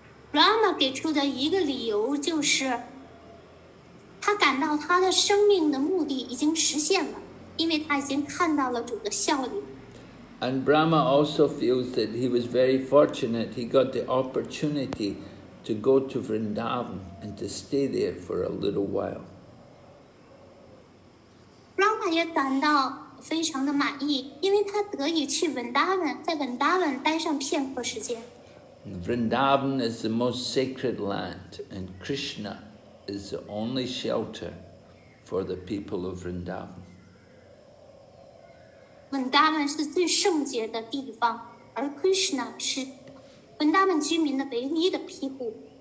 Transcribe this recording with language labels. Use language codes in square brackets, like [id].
[zh] Brahma 给出的一个理由就是，他感到他的生命的目的已经实现了，因为他已经看到了主的笑脸。 [en] And Brahma also feels that he was very fortunate. He got the opportunity to go to Vrindavan and to stay there for a little while. [zh] Brahma 也感到非常的满意，因为他得以去文达文，在文达文待上片刻时间。 [en] Vrindavan is the most sacred land, and Krishna is the only shelter for the people of Vrindavan. [zh] 文达文是最圣洁的地方，而 Krishna 是文达文居民的唯一的庇护。